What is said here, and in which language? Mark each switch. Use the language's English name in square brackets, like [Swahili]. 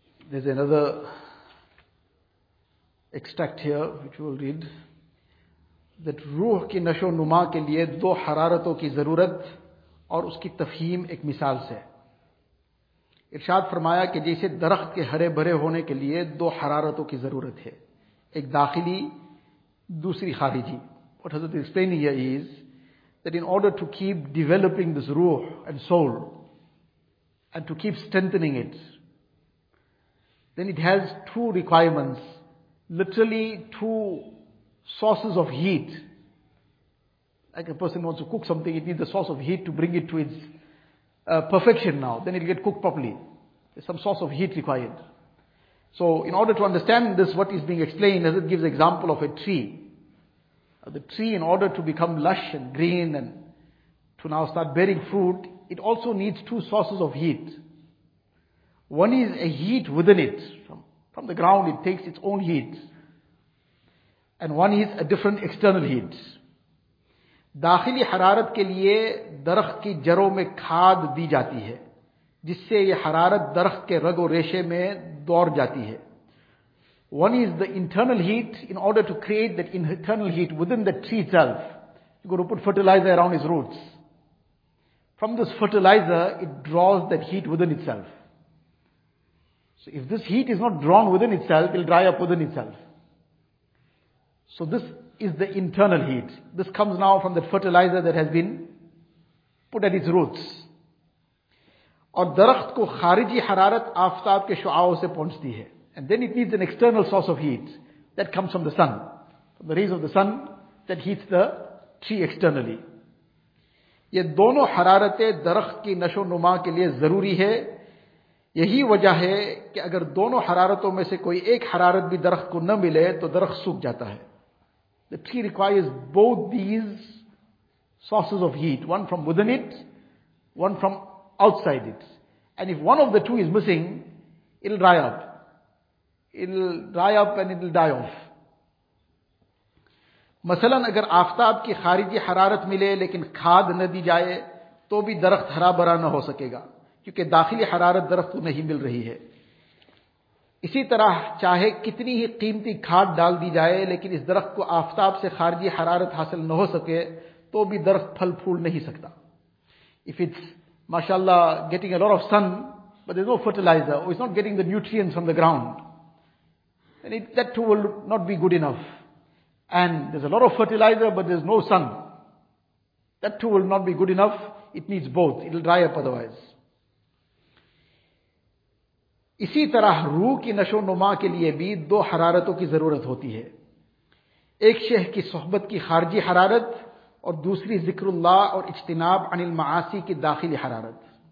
[English] There's another extract here which we'll read. [Urdu] That ruh ki nasho numa ke liye do hararaton ki zarurat اور اس کی تفہیم ایک مثال سے. ارشاد فرمایا کہ جیسے درخت کے ہرے بھرے ہونے کے لیے دو حرارتوں کی ضرورت ہے, ایک داخلی دوسری خارجی. [English] What Hazrat is explaining here is that in order to keep developing this ruh and soul and to keep strengthening it, then it has two requirements, literally two sources of heat. Like a person wants to cook something, it needs a source of heat to bring it to its perfection now. Then it will get cooked properly. There's some source of heat required. So in order to understand this, what is being explained, as it gives example of a tree. The tree, in order to become lush and green and to now start bearing fruit, it also needs two sources of heat. One is a heat within it. From the ground it takes its own heat. And one is a different external heat. [Urdu] داخلی حرارت کے لیے درخت کی جڑوں میں کھاد دی جاتی ہے, جس سے یہ حرارت درخت کے رگ و ریشے میں دوڑ جاتی ہے. [English] One is the internal heat, in order to create that internal heat within the tree itself, you're going to put fertilizer around its roots. From this fertilizer, it draws that heat within itself. So if this heat is not drawn within itself, it'll dry up within itself. So this is the internal heat. This comes now from the fertilizer that has been put at its roots. [Urdu] اور درخت کو خارجی حرارت آفتاب کے شعاؤں سے پہنچتی ہے. [English] And then it needs an external source of heat that comes from the sun. From the rays of the sun that heats the tree externally. [Urdu] یہ دونوں حرارتیں درخت کی نشو نما کے لیے ضروری ہے. یہی وجہ ہے کہ اگر دونوں حرارتوں میں سے کوئی ایک حرارت بھی درخت کو نہ ملے تو درخت سوکھ جاتا ہے. [English] The tree requires both these sources of heat, one from within it, one from outside it. And if one of the two is missing, it'll dry up. It'll dry up and it'll die off. [Urdu] مثلا اگر آفتاب کی خارجی حرارت ملے لیکن کھاد نہ دی جائے تو بھی درخت ہرا بھرا نہ ہو سکے گا, کیونکہ داخلی حرارت درخت کو نہیں مل رہی ہے. اسی طرح چاہے کتنی ہی قیمتی کھاد ڈال دی جائے لیکن اس درخت کو آفتاب سے خارجی حرارت حاصل نہ ہو سکے تو بھی درخت پھل پھول نہیں سکتا. [English] If it's mashallah getting a lot of sun but there's no fertilizer, or it's not getting the nutrients from the ground, then that too will not be good enough. And there's a lot of fertilizer but there's no sun, that too will not be good enough. It needs both. It'll dry up otherwise. [Urdu] اسی طرح روح کی نشو نما کے لیے بھی دو حرارتوں کی ضرورت ہوتی ہے, ایک شیخ کی صحبت کی خارجی حرارت اور دوسری ذکر اللہ اور اجتناب عن المعاصی کی داخلی حرارت.